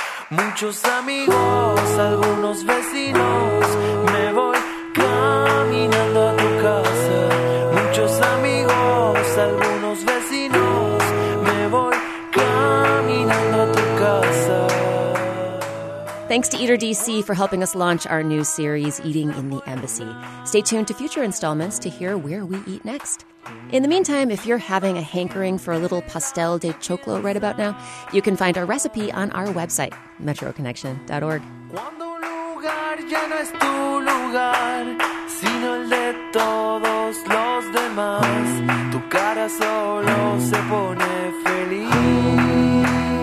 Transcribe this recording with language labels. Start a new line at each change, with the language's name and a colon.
Spanish: Muchos amigos, algunos vecinos, me voy caminando a tu casa. Muchos amigos, algunos vecinos, me voy caminando a tu casa.
English: Thanks to Eater DC for helping us launch our new series, Eating in the Embassy. Stay tuned to future installments to hear where we eat next. In the meantime, if you're having a hankering for a little pastel de choclo right about now, you can find our recipe on our website, metroconnection.org.
Spanish: Cuando un lugar ya no es tu lugar, sino el de todos los demás, tu cara solo se pone feliz.